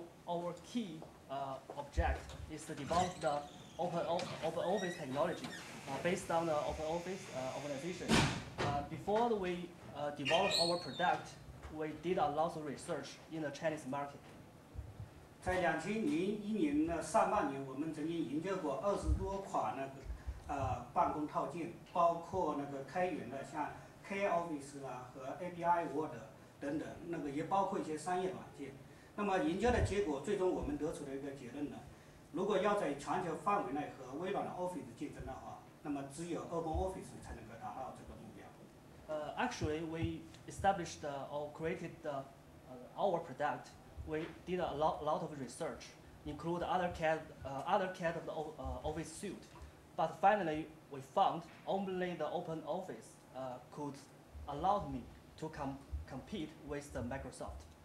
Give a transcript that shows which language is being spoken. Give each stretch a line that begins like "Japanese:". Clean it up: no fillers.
English: Our key object is to develop the open office technology based on the open office organization. Before we developed our product, we did a lot of research in the Chinese market.
Chinese: 在2001年的上半年，我们曾经研究过20多款办公套件，包括开源的像 K Office 啊和 API Word 等等，也包括一些商业软件。那么研究的结果，最终我们得出了一个结论呢：如果要在全球范围内和微软的 Office 竞争的话，那么只有 Open Office 才能够达到这个目标。
English: Actually, we established or created our product. We did a lot of research, include other kind of the office suite, but finally we found only the open office could allow me to compete with the Microsoft.